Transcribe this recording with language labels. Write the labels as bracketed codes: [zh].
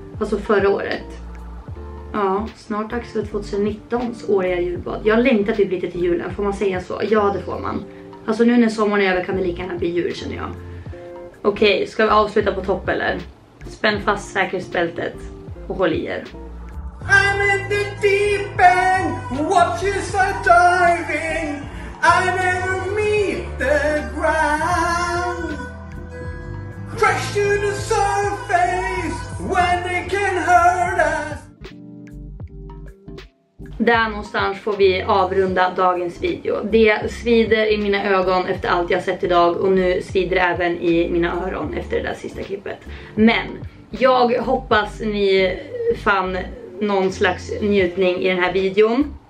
[sv] Alltså förra året. Ja, snart dags för 2019s åriga julbad. Jag längtar typ lite till julen. Får man säga så? Ja, det får man. Alltså nu när sommaren är över kan det lika gärna bli jul, känner jag. Okej, ska vi avsluta på topp eller? Spänn fast säkerhetsbältet och håll i er. [en] I'm in the deep end, watches are diving. I never meet the ground. Crash to the surface when they can hurt us. [sv] Där någonstans får vi avrunda dagens video. Det svider i mina ögon efter allt jag sett idag. Och nu svider även i mina öron efter det där sista klippet. Men jag hoppas ni fann någon slags njutning i den här videon.